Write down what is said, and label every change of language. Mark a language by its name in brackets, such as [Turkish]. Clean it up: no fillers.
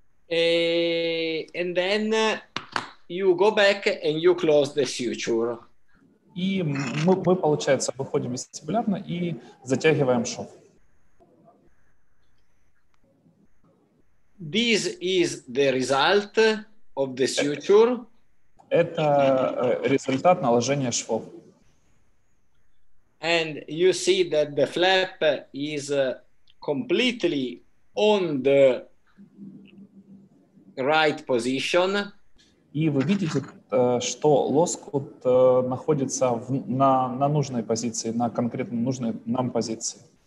[English] And then you go back and you close the suture. [Russian] И мы получается, выходим вестибулярно и затягиваем шов. [English] This is the result of the suture. [Russian] Это результат наложения швов. [English] And you see that the flap is completely on the right position. [Russian] И вы видите, что лоскут находится на нужной позиции, на конкретно нужной нам позиции.